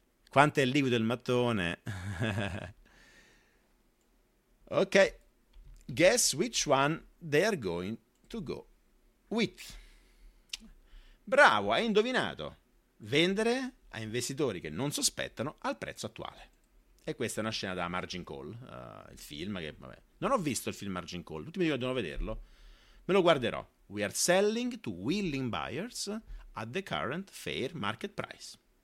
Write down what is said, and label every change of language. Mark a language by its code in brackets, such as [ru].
[it] Quanto è liquido il mattone? Ok. [en] Guess which one they're going to go with. [it] Bravo, hai indovinato. Vendere a investitori che non sospettano al prezzo attuale. E questa è una scena da Margin Call, il film che, vabbè. Non ho visto il film Margin Call, tutti mi dicono che devono vederlo. Me lo guarderò. [en] We are selling to willing buyers at the current fair market price.